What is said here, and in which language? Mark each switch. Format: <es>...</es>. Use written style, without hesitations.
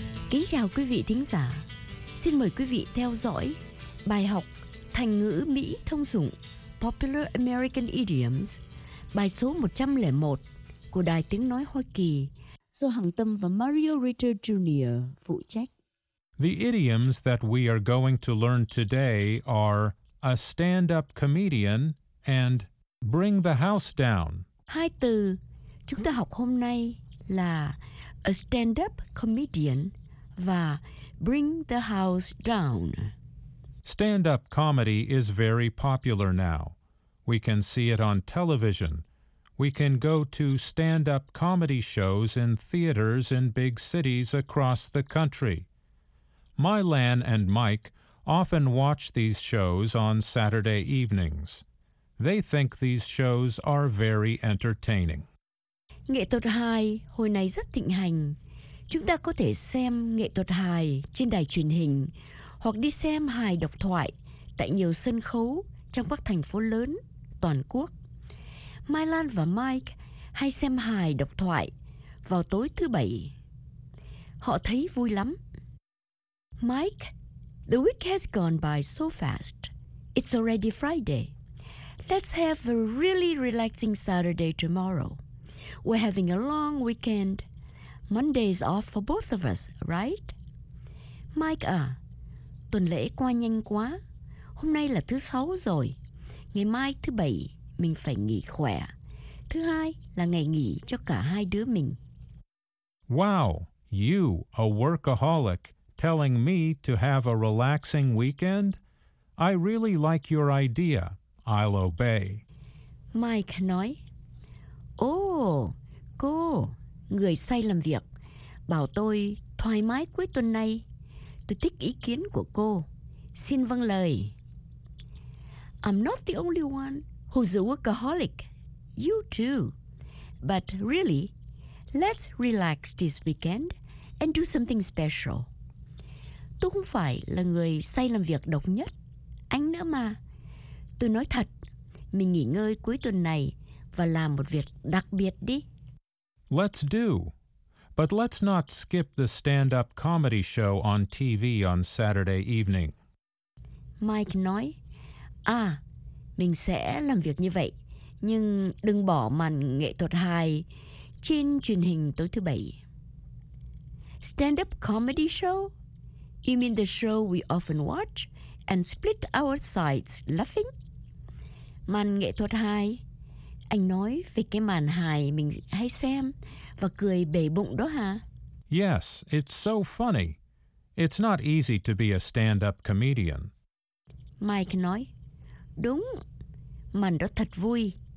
<vi>Kính chào quý vị thính giả. Xin mời quý vị theo dõi bài học Thành ngữ Mỹ thông dụng Popular American Idioms, bài số 101 của Đài Tiếng Nói Hoa Kỳ do Hằng Tâm và Mario Ritter Jr. phụ trách.</vi> <en>The idioms that we are going to learn today are a stand-up comedian and bring the house down.</en> <vi>Hai từ chúng ta học hôm nay là</vi> <en>a stand-up comedian</en> <vi>và</vi> <en>bring the house down. Stand-up comedy is very popular now. We can see it on television. We can go to stand-up comedy shows in theaters in big cities across the country. Mylan and Mike often watch these shows on Saturday evenings. They think these shows are very entertaining.</en> <vi>Nghệ thuật hài hồi này rất thịnh hành. Chúng ta có thể xem nghệ thuật hài trên đài truyền hình hoặc đi xem hài độc thoại tại nhiều sân khấu trong các thành phố lớn toàn quốc. Mylan và Mike hay xem hài độc thoại vào tối thứ bảy. Họ thấy vui lắm.</vi> <en>Mike, the week has gone by so fast. It's already Friday. Let's have a really relaxing Saturday tomorrow. We're having a long weekend. Monday's off for both of us, right?</en> <vi>Mike à, tuần lễ qua nhanh quá. Hôm nay là thứ sáu rồi. Ngày mai thứ bảy, mình phải nghỉ khỏe. Thứ hai là ngày nghỉ cho cả hai đứa mình.</vi> <en>Wow, you, a workaholic, telling me to have a relaxing weekend? I really like your idea. I'll obey.</en> <vi>Mike nói, cô, người say làm việc, bảo tôi thoải mái cuối tuần này. Tôi thích ý kiến của cô. Xin vâng lời.</vi> <en>I'm not the only one who's a workaholic. You too. But really, let's relax this weekend and do something special.</en> <vi>Tôi không phải là người say làm việc độc nhất. Anh nữa mà. Tôi nói thật, mình nghỉ ngơi cuối tuần này và làm một việc đặc biệt đi.</vi> <en>Let's do. But let's not skip the stand-up comedy show on TV on Saturday evening.</en> <vi>Mike nói, mình sẽ làm việc như vậy, nhưng đừng bỏ màn nghệ thuật hài trên truyền hình tối thứ bảy.</vi> <en>Stand-up comedy show? You mean the show we often watch and split our sides laughing?</en> <vi>Màn nghệ thuật hài. Anh nói về cái màn hài mình hay xem và cười bể bụng đó hả?</vi> <en>Yes, it's so funny. It's not easy to be a stand-up comedian.</en> <vi>Mike nói, đúng, màn đó thật vui.</vi>